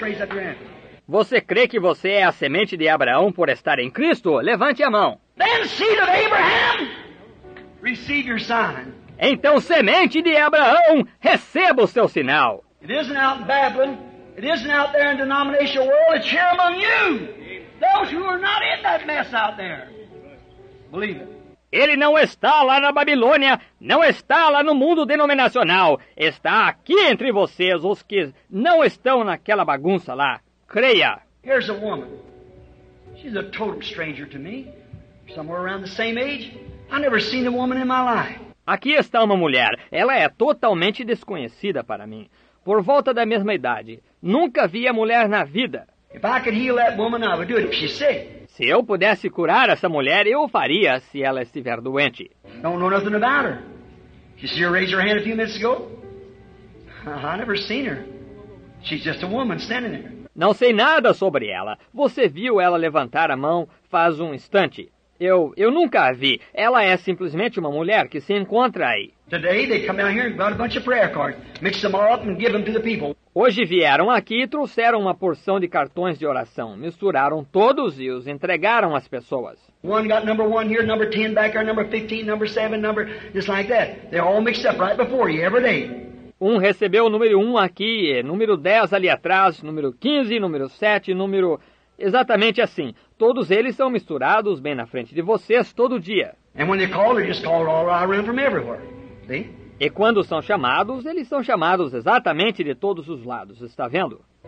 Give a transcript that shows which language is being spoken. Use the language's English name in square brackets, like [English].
[English] Raise up your hand. [Portuguese] Você crê que você é a semente de Abraão por estar em Cristo? Levante a mão. [English] Then seed of Abraham, receive your sign. [Portuguese] Então, semente de Abraão, receba o seu sinal. [English] It isn't out in Babylon. It isn't out there in the denominational world. It's here among you. Those who are not in that mess out there. Believe it. [Portuguese] Ele não está lá na Babilônia. Não está lá no mundo denominacional. Está aqui entre vocês, os que não estão naquela bagunça lá. Creia. [English] Here's a woman. She's a total stranger to me. Somewhere around the same age. I've never seen a woman in my life. [Portuguese] Aqui está uma mulher. Ela é totalmente desconhecida para mim. Por volta da mesma idade. Nunca vi a mulher na vida. [English] If I could heal that woman, I would do it if she's sick. [Portuguese] Se eu pudesse curar essa mulher, eu faria se ela estiver doente. [English] Don't know nothing about her. You see her raise her hand a few minutes ago? I never seen her. She's just a woman standing there. [Portuguese] Não sei nada sobre ela. Você viu ela levantar a mão faz um instante. Eu nunca a vi. Ela é simplesmente uma mulher que se encontra aí. [English] Today they come out here and brought a bunch of prayer cards, mix them all up and give them to the people. [Portuguese] Hoje vieram aqui e trouxeram uma porção de cartões de oração, misturaram todos e os entregaram às pessoas. [English] One got number 1 here, number 10 back there, number 15, number 7, number just like that. They're all mixed up right before you every day. [Portuguese] Um recebeu o número 1 aqui, número 10 ali atrás, número 15, número 7, número exatamente assim. Todos eles são misturados bem na frente de vocês todo dia. [English] And when they call, they just call all around from everywhere. See? [Portuguese] E quando são chamados, eles são chamados exatamente de todos os lados, está vendo?